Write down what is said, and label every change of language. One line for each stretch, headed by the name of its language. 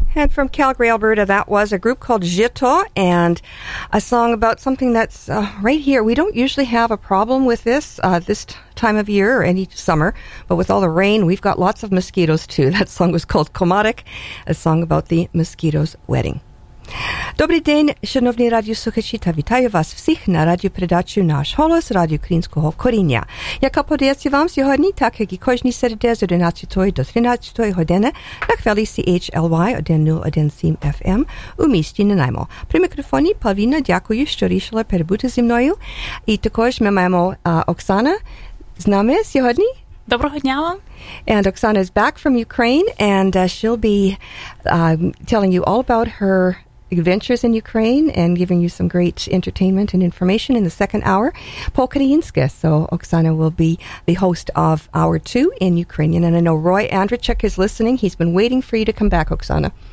English: From Calgary, Alberta, that was a group called Jito and a song about something that's right here. We don't usually have a problem with this this time of year or any summer, but with all the rain, we've got lots of mosquitoes too. That song was called Komarek, a song about the mosquito's wedding.
Czech: Dobrý den,
Ukrainian: шановні радіослухачі, та вітаю вас всіх на радіопередачі «Наш голос» Радіо Українського коріння, яка подається вам сьогодні, так як і кожні середи з 11 до 13 години на хвилі CHLY 101.7 FM у місті Нанаймо. При мікрофоні Павіна, дякую, що рішила перебути зі мною. І також ми маємо Оксана з нами сьогодні. Доброго дня вам.
English: And Оксана is back from Ukraine, and she'll be telling you all about her adventures in Ukraine and giving you some great entertainment and information in the second hour. Polkariinske, so Oksana will be the host of hour two in Ukrainian. And I know Roy Andrichuk is listening. He's been waiting for you to come back, Oksana.